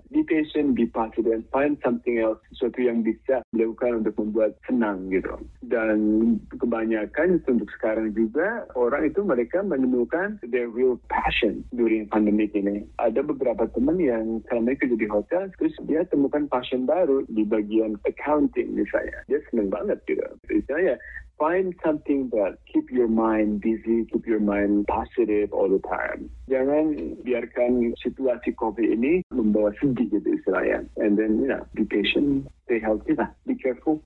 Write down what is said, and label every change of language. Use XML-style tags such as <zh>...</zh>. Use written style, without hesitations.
<en>Be patient, be positive, and find something else,</en> <id>sesuatu yang bisa dilakukan untuk membuat senang gitu. Dan kebanyakan untuk sekarang juga, orang itu mereka menemukan</id> <en>their real passion</en> <id>during pandemic ini. Ada beberapa teman yang kalau mereka jadi hotel, terus dia temukan passion baru di bagian accounting misalnya. Dia senang banget gitu.</id> <en>Misalnya, find something that keep your mind busy, keep your mind positive all the time.</en> <id>Jangan biarkan situasi COVID ini membawa sedih gitu istilahnya.</id> <en>And then, you know, be patient, stay healthy lah, be careful.</en>